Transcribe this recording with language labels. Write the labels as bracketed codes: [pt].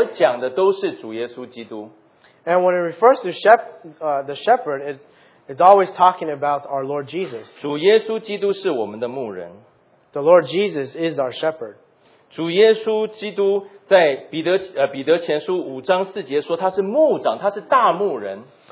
[zh] 用作名词的时候，除了在以弗所书第四章十一节里面所讲的都是主耶稣基督。 [en] And when it refers to the shepherd, it's always talking about our Lord Jesus. [zh] 主耶稣基督是我们的牧人。 [en] The Lord Jesus is our shepherd. [zh] 主耶稣基督在彼得前书五章四节说他是牧长，他是大牧人。